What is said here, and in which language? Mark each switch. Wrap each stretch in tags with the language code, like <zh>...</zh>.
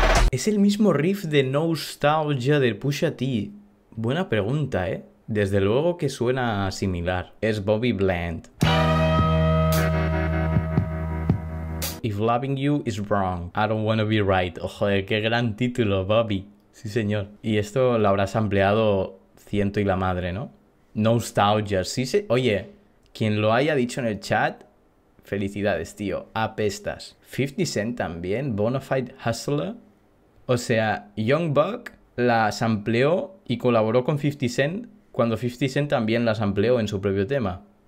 <es>Es el mismo riff de Nostalgia del Pusha T. Buena pregunta, ¿eh? Desde luego que suena similar. Es Bobby Bland.</es> <en>If loving you is wrong, I don't wanna be right.</en> <es>Oh, joder, qué gran título, Bobby. Sí, señor. Y esto lo habrás ampliado ciento y la madre, ¿no? Nostalgia. Sí. Oye, quien lo haya dicho en el chat, felicidades, tío. Apestas. 50 Cent también. Bonafide Hustler. O sea, Young Buck las amplió y colaboró con 50 Cent cuando 50 Cent también las amplió en su propio tema.</es>